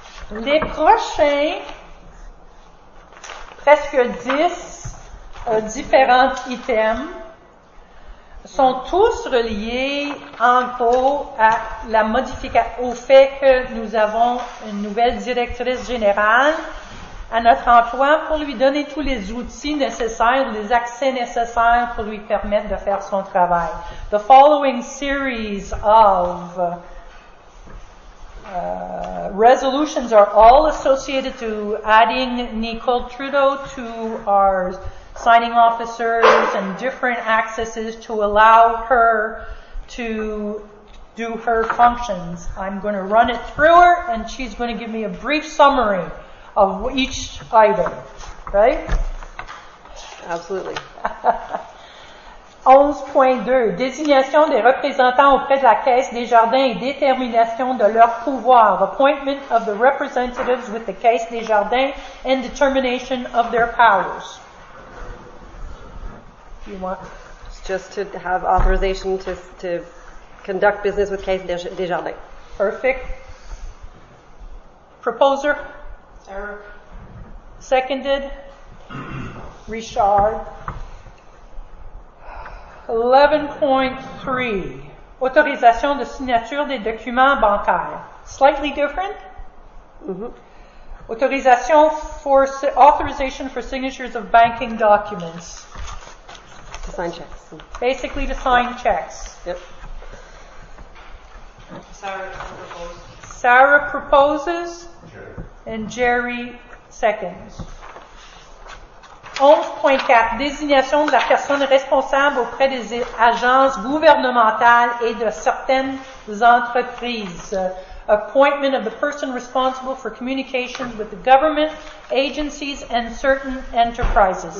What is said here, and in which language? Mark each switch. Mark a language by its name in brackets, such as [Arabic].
[French] Les prochains presque 10 différents items sont tous reliés en gros à la au fait que nous avons une nouvelle directrice générale à notre emploi pour lui donner tous les outils nécessaires, les accès nécessaires pour lui permettre de faire son travail. [English] The following series of resolutions are all associated to adding Nicole Trudeau to our signing officers and different accesses to allow her to do her functions. I'm going to run it through her and she's going to give me a brief summary of each item, right? Absolutely. [French] 11.2, désignation des représentants auprès de la Caisse des Jardins et détermination de leur pouvoir. [English] Appointment of the representatives with the Caisse des Jardins and determination of their powers. You want? It's just to have authorization to conduct business with Caisse Desjardins. Perfect. Proposer? Sarah. Seconded? Richard. [French] 11.3, autorisation de signature des documents bancaires. [English] Slightly different? Mm-hmm. Autorisation for authorization for signatures of banking documents. To sign checks. Basically to sign checks. Yep. Sarah proposes. Jerry. And Jerry seconds. [French] 11.4, désignation de la personne responsable auprès des agences gouvernementales et de certaines entreprises. [English] Appointment of the person responsible for communications with the government, agencies, and certain enterprises.